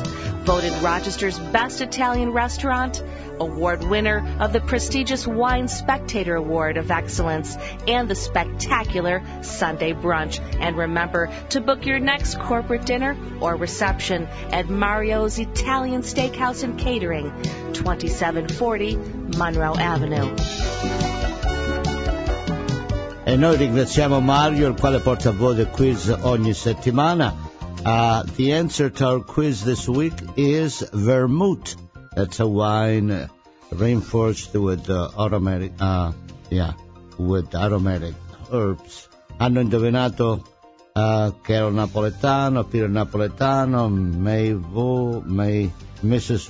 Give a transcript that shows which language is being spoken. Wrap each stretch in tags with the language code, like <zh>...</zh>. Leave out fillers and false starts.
<en>Voted Rochester's best Italian restaurant, award winner of the prestigious Wine Spectator Award of Excellence and the spectacular Sunday Brunch. And remember to book your next corporate dinner or reception at Mario's Italian Steakhouse and Catering, 2740 Monroe Avenue.</en> <it>E noi ringraziamo Mario, il quale porta a voi il quiz ogni settimana.</it> <en>The answer to our quiz this week is vermouth. That's a wine reinforced with aromatic herbs.</en> <it>Hanno indovinato che era napoletano, Piero Napoletano, May Vu, May Mrs.</it>